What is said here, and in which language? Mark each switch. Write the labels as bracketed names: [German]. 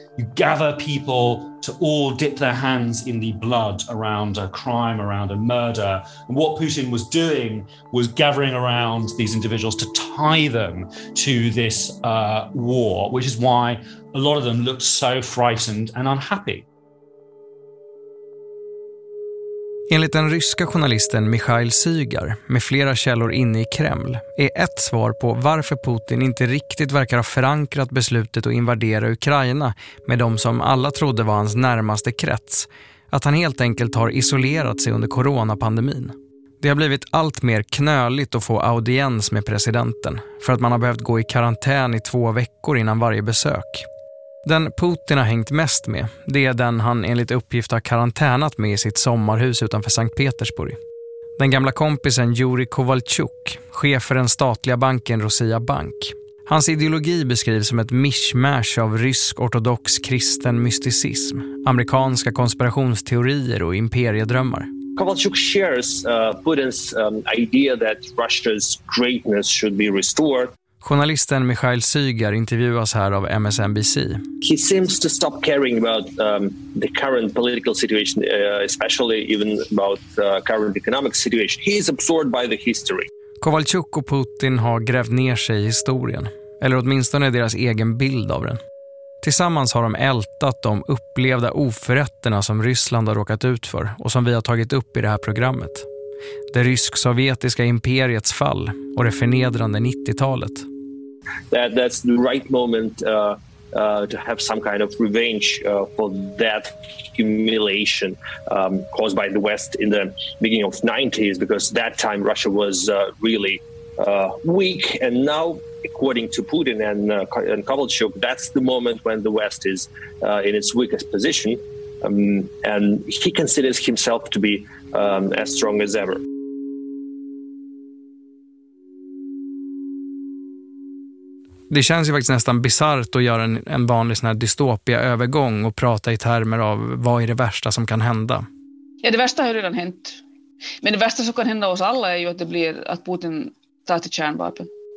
[English] you gather people to all dip their hands in the blood around a crime, around a murder. And what Putin was doing was gathering around these individuals to tie them to this war, which is why a lot of them looked so frightened and unhappy. [Swedish] Enligt den ryska journalisten Mikhail Sygar, med flera källor inne i Kreml, är ett svar på varför Putin inte riktigt verkar ha förankrat beslutet att invadera Ukraina med de som alla trodde var hans närmaste krets, att han helt enkelt har isolerat sig under coronapandemin. Det har blivit allt mer knöligt att få audiens med presidenten, för att man har behövt gå i karantän i 2 veckor innan varje besök. Den Putin har hängt mest med, det är den han enligt uppgift har karantänat med i sitt sommarhus utanför Sankt Petersburg. Den gamla kompisen Yuri Kovalchuk, chef för den statliga banken Rosia Bank. Hans ideologi beskrivs som ett mishmash av rysk ortodox kristen mysticism, amerikanska konspirationsteorier och imperiedrömmar. [English] Kovalchuk shares Putins idea that Russia's greatness should be restored. [Swedish] Journalisten Mikhail Sygar intervjuas här av MSNBC. [English] He seems to stop caring about the current political situation, especially even about the current economic situation. He is absorbed by the history. [Swedish] Kovalchuk och Putin har grävt ner sig i historien, eller åtminstone deras egen bild av den. Tillsammans har de ältat de upplevda oförrätterna som Ryssland har råkat ut för och som vi har tagit upp i det här programmet. Det rysk-sovjetiska imperiets fall och det förnedrande 90-talet. [English] That's the right moment to have some kind of revenge for that humiliation caused by the West in the beginning of 90s, because that time Russia was really weak, and now according to Putin and Kovalchuk, that's the moment when the West is in its weakest position. And he considers himself to be as strong as ever. [Swedish] Det känns ju faktiskt nästan bisarrt att göra en vanlig sån här dystopia övergång och prata i termer av vad är det värsta som kan hända. Ja, det värsta har redan hänt. Men det värsta som kan hända oss alla är ju att det blir att Putin tar till kärnvapen.